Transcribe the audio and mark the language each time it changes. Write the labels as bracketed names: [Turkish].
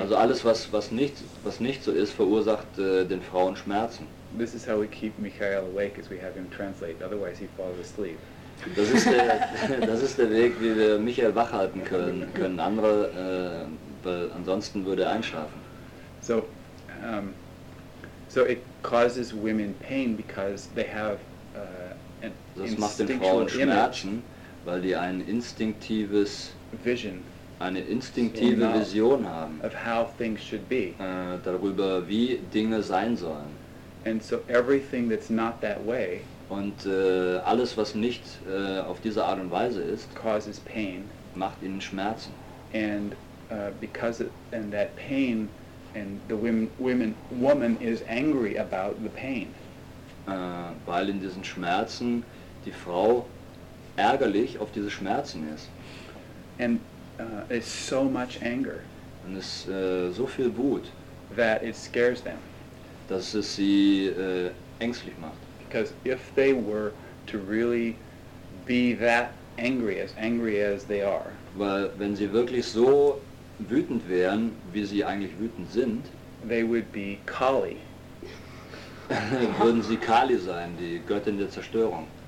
[German] Also alles, was nicht so ist, verursacht den Frauen Schmerzen. [English] This is how we keep Michael awake, as we have him translate, otherwise he falls asleep. [German] Das ist der Weg, wie wir Michael wach halten können andere, weil ansonsten würde er einschlafen. [English] So it causes women pain because they have an instinctual image. [German] Das macht den Frauen Schmerzen, weil die ein instinktives Vision, eine instinktive Vision haben, [English] of how things should be. [German] Darüber, wie Dinge sein sollen. [English] And so everything that's not that way, [German] und alles, was nicht auf diese Art und Weise ist, [English] causes pain, [German] macht ihnen Schmerzen. [English] And because it, and that pain, and the woman is angry about the pain. [German] Weil in diesen Schmerzen die Frau ärgerlich auf diese Schmerzen ist. [English] And it's so much anger. [German] Und es ist so viel Wut. [English] That it scares them. [German] Dass es sie ängstlich macht. [English] Because if they were to really be that angry as they are. [German] Weil wenn sie wirklich so wütend wären, wie sie eigentlich wütend sind, [English] they would be Kali. [German] Würden sie Kali sein, die Göttin der Zerstörung.